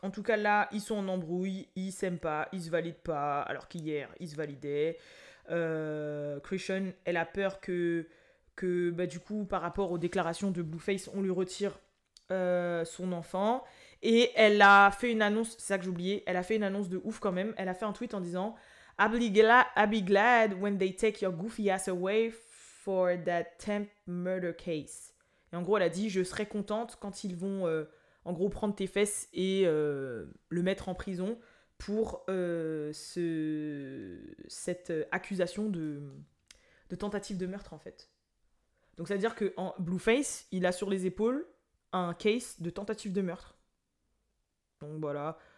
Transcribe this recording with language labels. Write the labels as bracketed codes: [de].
[fr] En tout cas, là, ils sont en embrouille, ils s'aiment pas, ils se valident pas, alors qu'hier, ils se validaient. Christian, elle a peur que bah, du coup, par rapport aux déclarations de Blueface, on lui retire son enfant. Et elle a fait une annonce, c'est ça que j'ai oublié, elle a fait une annonce de ouf quand même. Elle a fait un tweet en disant... [en] I'll be glad when they take your goofy ass away for that temp murder case. [fr] Et en gros, elle a dit, je serai contente quand ils vont, en gros, prendre tes fesses et le mettre en prison pour cette accusation de tentative de meurtre, en fait. Donc, c'est-à-dire que en Blueface, il a sur les épaules un case de tentative de meurtre. Donc, voilà.